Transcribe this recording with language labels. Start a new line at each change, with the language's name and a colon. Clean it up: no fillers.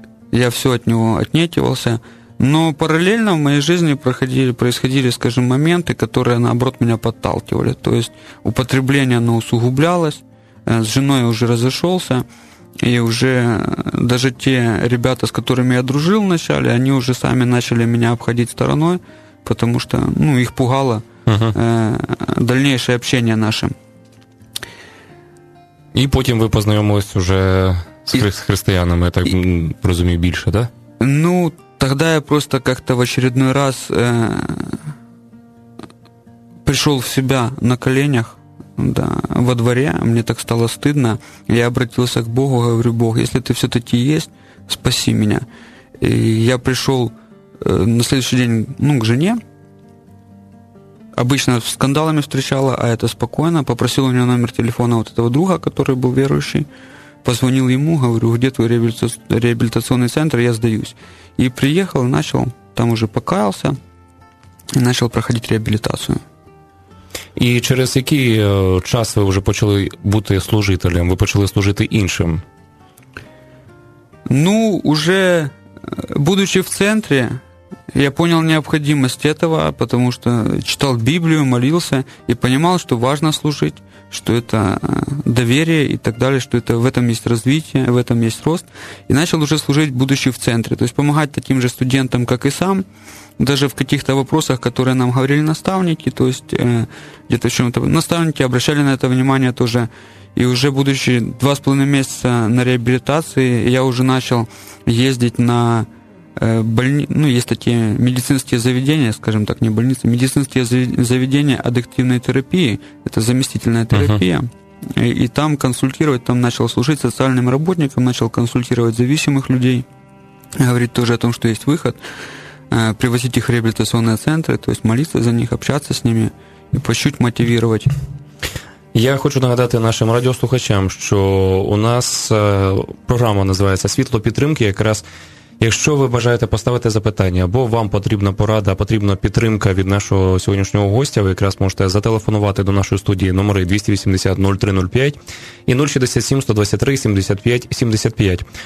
Russian: Я все от него отнекивался. Но параллельно в моей жизни происходили, скажем, моменты, которые, наоборот, меня подталкивали. То есть употребление, оно усугублялось, с женой уже разошелся, И уже даже те ребята, с которыми я дружил вначале, они уже сами начали меня обходить стороной, потому что, ну, их пугало дальнейшее общение наше.
Ukrainian: И потім ви познайомились уже с християнами, я так розумію, більше, да?
Russian: Ну, тогда я просто как-то в очередной раз пришел в себя на коленях, да, во дворе, мне так стало стыдно, я обратился к Богу, говорю: «Бог, если ты все-таки есть, спаси меня». И я пришел на следующий день, ну, к жене, обычно с скандалами встречала, а это спокойно, попросил у нее номер телефона вот этого друга, который был верующий, позвонил ему, говорю: «Где твой реабилитационный центр, я сдаюсь». И приехал, начал, там уже покаялся, и начал проходить реабилитацию.
Ukrainian: І через який час ви вже почали бути служителем? Ви почали служити іншим?
Russian: Ну, уже будучи
Ukrainian: в центрі,
Russian: я понял необходимость этого, потому что читал Библию, молился и понимал, что важно служить, что это доверие и так далее, что это, в этом есть развитие, в этом есть рост. И начал уже служить, будучи в центре, то есть помогать таким же студентам, как и сам, даже в каких-то вопросах, которые нам говорили наставники, то есть где-то в чем-то наставники обращали на это внимание тоже. И уже будучи 2.5 месяца на реабилитации, я уже начал ездить на ну, есть такие медицинские заведения, скажем так, не больницы, медицинские заведения аддиктивной терапии, это заместительная терапия, и там консультировать, там начал служить социальным работником, начал консультировать зависимых людей, говорить тоже о том, что есть выход, привозить их в реабилитационные центры, то есть молиться за них, общаться с ними и по чуть-чуть мотивировать.
Ukrainian: Я хочу нагадати нашим радіослухачам, що у нас програма називається «Світло підтримки», якраз. Якщо ви бажаєте поставити запитання, або вам потрібна порада, потрібна підтримка від нашого сьогоднішнього гостя, ви якраз можете зателефонувати до нашої студії номери 280-0305 і 067-123-75-75.